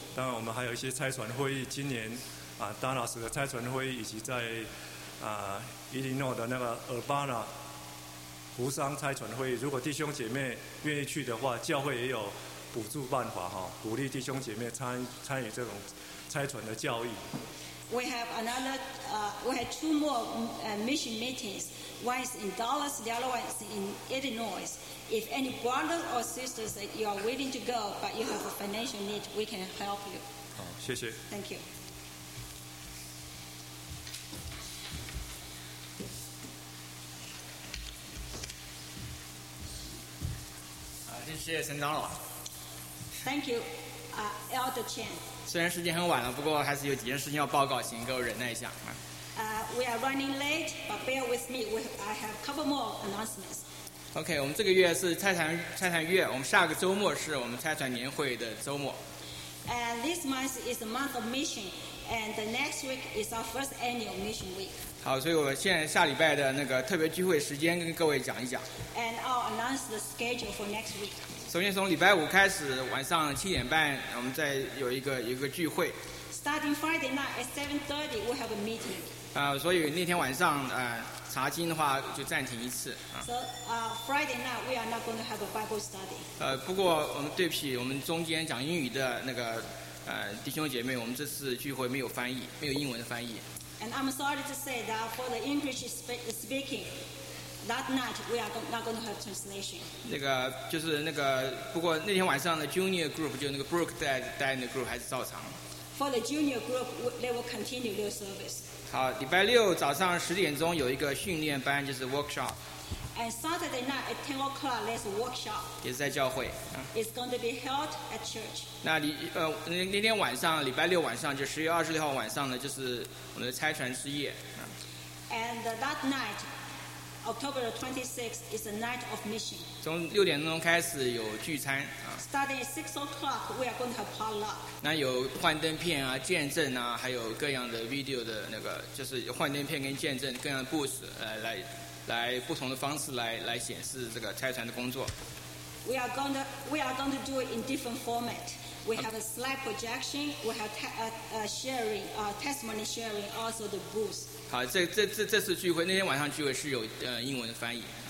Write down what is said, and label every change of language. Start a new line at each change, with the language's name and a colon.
Chinese: 当然，我们还有一些差传会议。今年丹老师的差传会议，以及在伊利诺的那个尔巴纳。扶桑差传会，如果弟兄姐妹愿意去的话，教会也有补助办法哈，鼓励弟兄姐妹参与这种差传的教义。
English: We have another, we have two more mission meetings. One is in Dallas, the other one is in Illinois. If any brothers or sisters that you are willing to go, but you have a financial need, we can help you.
Chinese: 好，谢谢。
English: Thank you.
Chinese: 谢谢陈长老。
English: Thank you, Elder Chen.
Chinese: 虽然时间很晚了，不过还是有几件事情要报告，请各位忍耐一下。
English: We are running late, but bear with me. I have a couple more announcements.
Chinese: OK, 我们这个月是差传月，我们下个周末是我们差传年会的周末。
English: And this month is the month of mission, and the next week is our first annual mission week.
Chinese: 好，所以我现在下礼拜的那个特别聚会时间跟各位讲一讲。
English: And I'll announce the schedule for next week.
Chinese: 首先从礼拜五开始，晚上7:30，我们再有一个聚会。
English: Starting Friday night at 7:30, we have a meeting.
Chinese: 所以那天晚上查经的话就暂停一次。
English: Friday night we are not going to have a Bible study.
Chinese: 不过我们对不起，我们中间讲英语的那个弟兄姐妹，我们这次聚会没有翻译，没有英文的翻译。
English: And I'm sorry to say that for the English speaking, that night we are not going to have translation.
Chinese: 那个就是那个，不过那天晚上的 junior group 就那个 Brooke 带那个 group 还是照常。
English: For the junior group, they will continue their service.
Chinese: 好，礼拜六早上10:00有一个训练班，就是 workshop.
English: And Saturday night at 10:00, there's a workshop.
Chinese: 也是在教会。
English: It's going to be held at church.
Chinese: 那天晚上，礼拜六晚上，就10月26号晚上呢，就是我们的差传之夜。
English: And that night, October 26th is the night of mission.
Chinese: 从6:00开始有聚餐。
English: Starting at 6:00, we are going to have potluck.
Chinese: 那有幻灯片啊，见证啊，还有各样的 video 的那个，就是幻灯片跟见证，各样的故事，来不同的方式来显示这个差传的工作。
English: We are going to do it in different format. We have a slide projection. We have sharing, testimony sharing, also the booth.
Chinese: 好，这次聚会那天晚上聚会是有英文的翻译。